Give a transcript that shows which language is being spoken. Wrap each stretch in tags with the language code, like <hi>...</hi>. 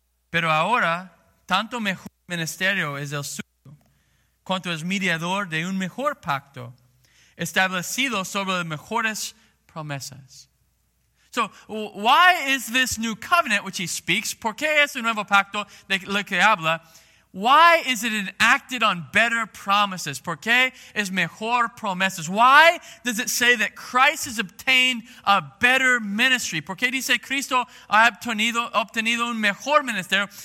<es>Pero ahora, tanto mejor ministerio es el suyo, cuanto es mediador de un mejor pacto, establecido sobre las mejores promesas.</es> <en>So, why is this new covenant which he speaks?</en> <es>¿Por qué es un nuevo pacto de lo que habla?</es> <en>Why is it enacted on better promises?</en> <es>¿Por qué es mejor promesas?</es> <en>Why does it say that Christ has obtained a better ministry?</en> <es>¿Por qué dice Cristo ha obtenido un mejor ministerio?</es>